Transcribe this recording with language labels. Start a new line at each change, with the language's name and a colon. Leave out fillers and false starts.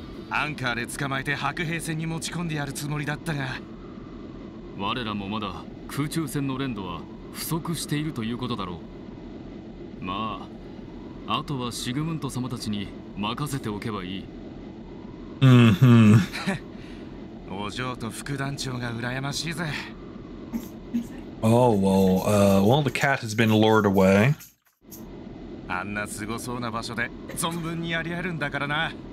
Japanese: アンカーで捕まえて白兵船に持ち込んでやるつもりだったが、我らもまだ空中戦の連動は不足しているということだろう。まあ、あとは主軍と様たちに任せておけばいい。うん。お嬢と副団長が羨ましいぜ。
English: Oh well, well, the cat has been lured away.
Japanese: あんなすごそうな場所で存分にやり合えるんだからな。